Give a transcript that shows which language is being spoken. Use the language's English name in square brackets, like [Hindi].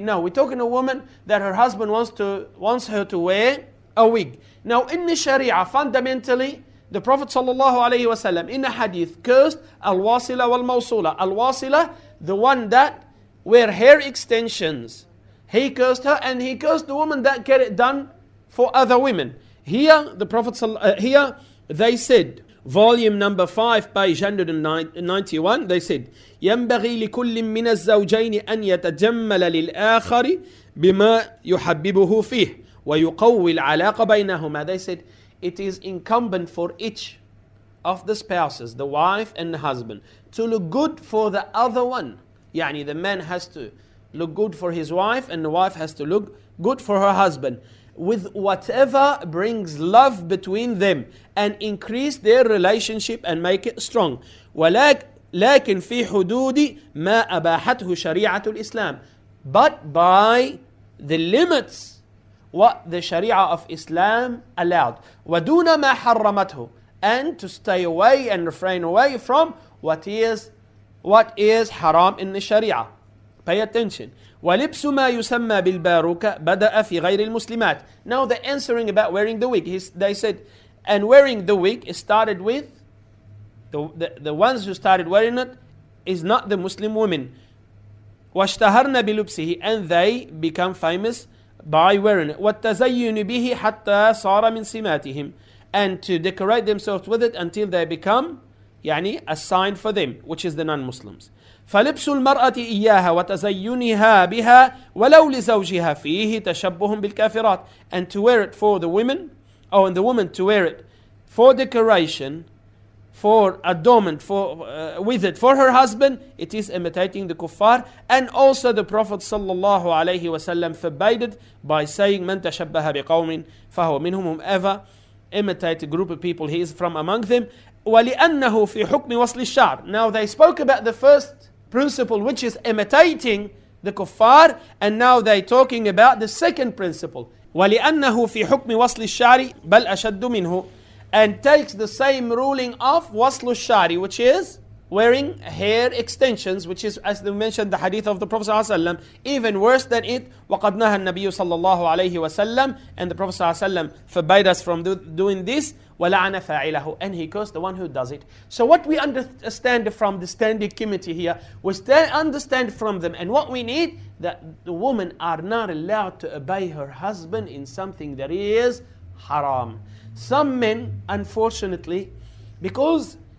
[English] No, we're talking a woman that her husband wants her to wear a wig. Now, in the Sharia, fundamentally, the Prophet ﷺ in a hadith cursed al-wasila wal-mawsula. Al-wasila, the one that wear hair extensions. He cursed her, and he cursed the woman that get it done for other women. Here, the Prophet here they said, [Arabic] volume number 5, page 191, they said, ينبغي لكل من الزوجين أن يتجمل للآخر بما يحببه فيه ويقوي العلاقة بينهما. [English] They said, it is incumbent for each of the spouses, the wife and the husband, to look good for the other one. يعني the man has to look good for his wife, and the wife has to look good for her husband, with whatever brings love between them and increase their relationship and make it strong. [Arabic] ولكن في حدود ما أباحته شريعة الإسلام. [English] But by the limits what the Sharia of Islam allowed. [Arabic] ودون ما حرمته. [English] And to stay away and refrain away from what is haram in the Sharia. Pay attention. [Arabic] ولبس ما يسمى بالباروكة بدأ في غير المسلمات. [English] Now the answering about wearing the wig. They said, and wearing the wig started with the ones who started wearing it is not the Muslim women. [Arabic] واشتهرن بلبسه, [English] and they become famous by wearing it. [Arabic] والتزين به حتى صار من سماتهم, [English] and to decorate themselves with it until they become يعني a sign for them, which is the non-Muslims. [Arabic] فلبس المرأة إياها وتزينها بها ولو لزوجها فيه تشبه بالكافرات. [English] And to wear it for the women, oh, and the woman to wear it for decoration, for adornment, with it for her husband, it is imitating the kuffar. And also the Prophet sallallahu alayhi wasallam forbade it by saying, [Arabic] من تشبه بقوم فهو منهم, [English] whomever imitate a group of people, he is from among them. [Arabic] ولأنه في حكم وصل الشعر. [English] Now they spoke about the first principle, which is imitating the kuffar, and now they're talking about the second principle. [Arabic] ولأنه في حكم وصل الشعر بل أشد منه, [English] and takes the same ruling of وصل الشعر, which is wearing hair extensions, which is, as we mentioned, the hadith of the Prophet [Arabic] صلى الله عليه وسلم, [English] even worse than it. [Arabic] وقد نهى النبي صلى الله عليه وسلم, [English] and the Prophet [Arabic] صلى الله عليه وسلم [English] forbade us from doing this. [Arabic] ولعن فاعله, [English] and he cursed the one who does it. So what we understand from the standing committee here, we understand from them, and what we need, that the women are not allowed to obey her husband in something that is haram. Some men, unfortunately, because